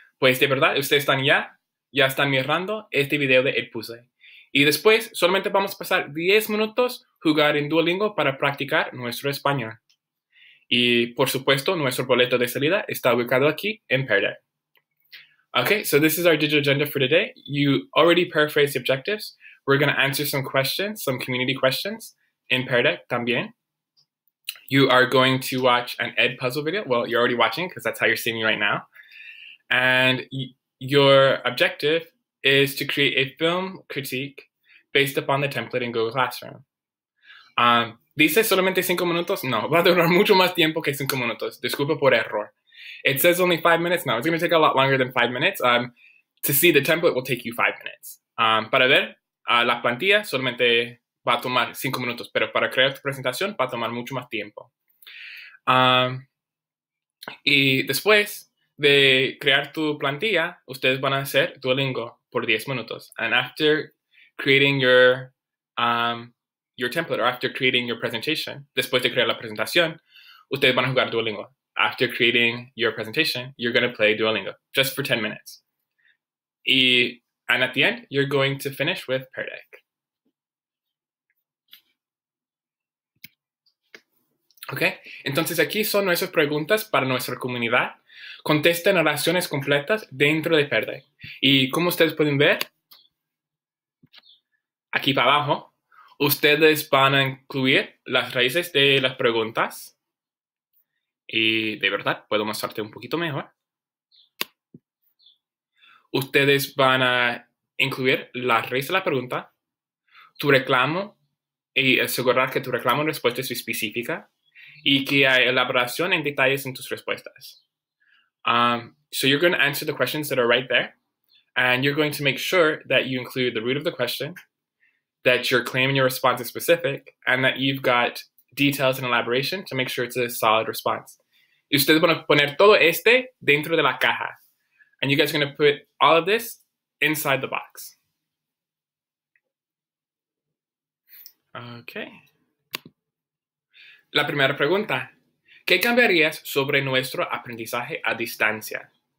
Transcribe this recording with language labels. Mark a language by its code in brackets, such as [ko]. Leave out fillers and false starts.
[es] Pues de verdad, ustedes están ya están mirando este video de Ed Puzzle. Y después, solamente vamos a pasar 10 minutos jugar en Duolingo para practicar nuestro español. Y, por supuesto, nuestro boleto de salida está ubicado aquí en Perdec. [en] Okay, so this is our digital agenda for today. You already paraphrased the objectives. We're going to answer some questions, some community questions in Perdec también. You are going to watch an Ed puzzle video. Well, you're already watching because that's how you're seeing me right now. And your objective is to create a film critique based upon the template in Google Classroom. [es] Dice solamente 5 minutos? No, va a durar mucho más tiempo que 5 minutos. Disculpe por error. [en] It says only 5 minutes? No, it's going to take a lot longer than 5 minutes. To see the template will take you 5 minutes. [es] Para ver la plantilla, solamente va a tomar 5 minutos, pero para crear tu presentación va a tomar mucho más tiempo. Y después de crear tu plantilla, ustedes van a hacer Duolingo por 10 minutos. [en] And after creating your template, or after creating your presentation, [es] después de crear la presentación, ustedes van a jugar Duolingo. [en] After creating your presentation, you're going to play Duolingo, just for 10 minutes. And at the end, you're going to finish with Perdec. [es] Okay, entonces aquí son nuestras preguntas para nuestra comunidad. Contesten oraciones completas dentro de Perdec. Y como ustedes pueden ver, aquí para abajo, ustedes van a incluir las raíces de las preguntas. Y de verdad, puedo mostrarte un poquito mejor. Ustedes van a incluir la raíz de la pregunta, tu reclamo, y asegurar que tu reclamo en respuesta es específica y que hay elaboración en detalles en tus respuestas. [en] So you're going to answer the questions that are right there, and you're going to make sure that you include the root of the question, that your claim and your response is specific, and that you've got details and elaboration to make sure it's a solid response. [es] Y ustedes van a poner todo este dentro de la caja. [en] And you guys are going to put all of this inside the box. [es] Okay. La primera pregunta. ¿Qué cambiarías sobre nuestro aprendizaje a distancia?